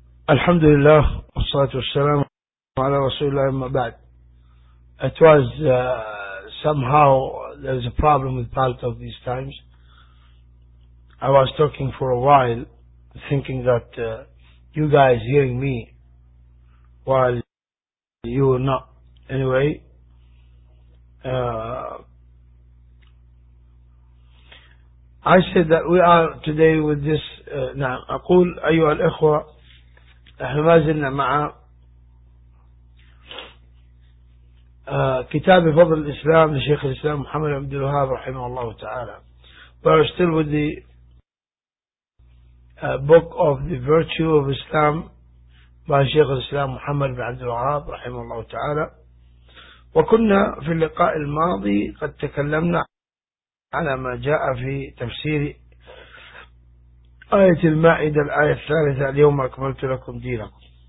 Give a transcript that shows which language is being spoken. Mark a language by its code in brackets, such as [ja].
[ar] الحمد لله والصلاة والسلام على رسول الله. ما بعد. [en] It was somehow there's a problem with part of these times. I was talking for a while, thinking that you guys hearing me, while you are not. Anyway, I said that we are today with this. [ar] نعم أقول أيها الأخوة. احنا ما زلنا مع كتاب فضل الاسلام لشيخ الاسلام محمد بن عبد الوهاب رحمه الله تعالى. [en] We are still with the book of the virtue of Islam by شيخ الاسلام محمد بن عبد الوهاب رحمه الله تعالى. [ar] وكنا في اللقاء الماضي قد تكلمنا على ما جاء في تفسير آية المائدة الآية الثالثة اليوم أكملت لكم دينكم.